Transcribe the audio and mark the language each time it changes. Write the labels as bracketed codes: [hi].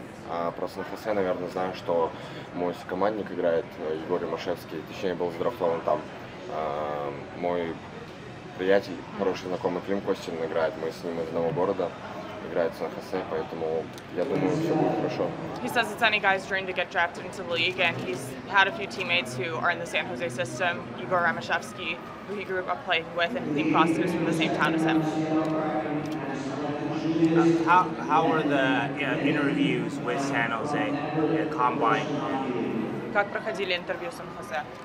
[ru] А про Сан-Хосе, наверное, знаю, что мой сокомандник играет, Егор Имашевский, точнее, был задрафтован там. Мой приятель, хороший знакомый Клим Костин играет, мы с ним из одного города, играет в Сан-Хосе, поэтому я думаю, все будет хорошо. [en] He says it's any guy's dream to get drafted into the league, and he's had a few teammates who are in the San Jose system, Igor Ramoshevsky, who he grew up playing with, and Clim Costin is from the same town as him. How were the interviews with San Jose at Combine? [ru] Как проходили интервью с Сан-Хосе?